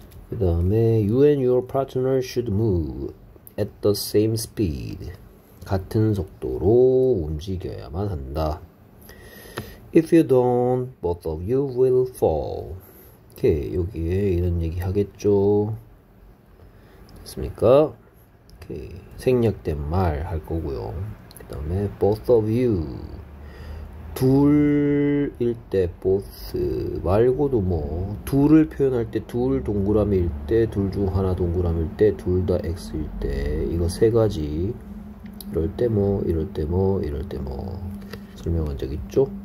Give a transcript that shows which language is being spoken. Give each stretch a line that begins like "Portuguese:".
Korean: 그 다음에
English: You and your partner should move at the same speed.
Korean: 같은 속도로 움직여야만 한다.
English: If you don't, both of you will fall.
Korean: 오케이, 여기에 이런 얘기 하겠죠. 됐습니까? 생략된 말할 거고요. 그 다음에
English: both of you
Korean: 둘일 때 both 말고도 뭐 둘을 표현할 때둘 동그라미일 때둘중 하나 동그라미일 때둘다 X일 때 이거 세 가지 이럴 때뭐 이럴 때뭐 이럴 때뭐 설명한 적 있죠?